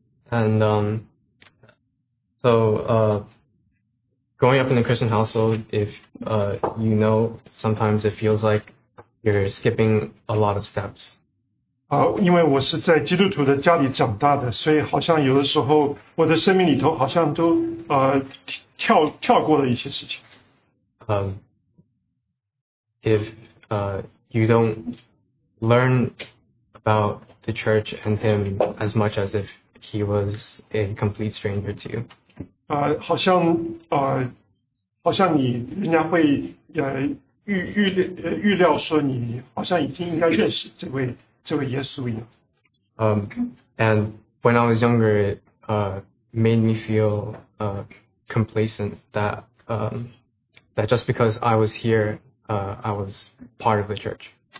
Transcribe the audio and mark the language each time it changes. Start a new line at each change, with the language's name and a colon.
English: And Growing up in a Christian household, sometimes it feels like you're skipping a lot of steps.
Chinese: 因为我是在基督徒的家里长大的，所以好像有的时候我的生命里头好像都跳过了一些事情。
English: You don't learn about the church and him as much as if he was a complete stranger to you.
Chinese: 好像你人家会预料说你好像已经应该认识这位耶稣一样。
English: And when I was younger, made me feel complacent that just because I was here, I was part of the church.